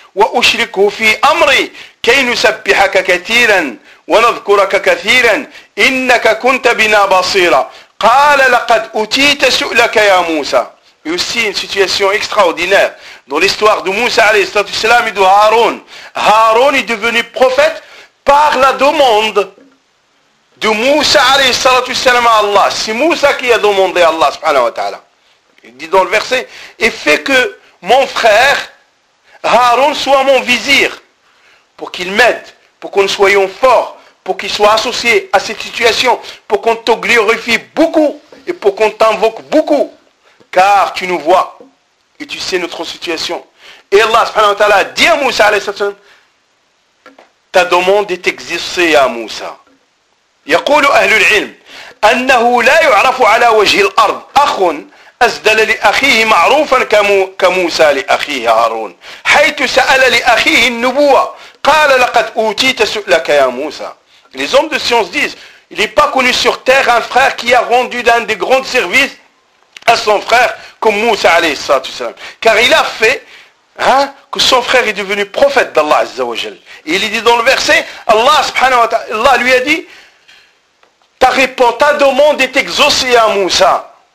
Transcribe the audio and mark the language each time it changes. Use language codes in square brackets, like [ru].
[ar] وأشركه في أمري كي نسبحك كثيرا ونذكرك كثيرا إنك كنت بنا بصيرا قال لقد أتيت سؤلك يا موسى. [fr] Et aussi une situation extraordinaire dans l'histoire de Moussa alayhi salatu wassalam et de Harun. Harun est devenu prophète par la demande de Moussa alayhi salatu wassalam à Allah. C'est Moussa qui a demandé à Allah subhanahu wa ta'ala. Il dit dans le verset, et fait que mon frère Harun soit mon vizir, pour qu'il m'aide, pour qu'on soyons forts, pour qu'il soit associé à cette situation, pour qu'on te glorifie beaucoup et pour qu'on t'invoque beaucoup, car tu nous vois et tu sais notre situation. Et Allah subhanahu wa ta'ala dit à Moussa alayhi sallam, ta demande est exaucée à Moussa. [ar] يقول أهل العلم أنه لا يعرف على وجه الأرض أخ أزدل لأخيه معروفا كموسى لأخيه هارون حيث سأل لأخيه النبوة قال لقد أوتيت سؤلك يا موسى. [fr] Les hommes de science disent, il n'est pas connu sur terre un frère qui a rendu d'un des grands services à son frère comme Moussa alayhi salatu wassalam. Car il a fait, hein, que son frère est devenu prophète d'Allah Azza wa Jal. Et il dit dans le verset, Allah subhanahu wa ta'ala, Allah lui a dit, ta réponse, ta demande est exaucée à Moussa.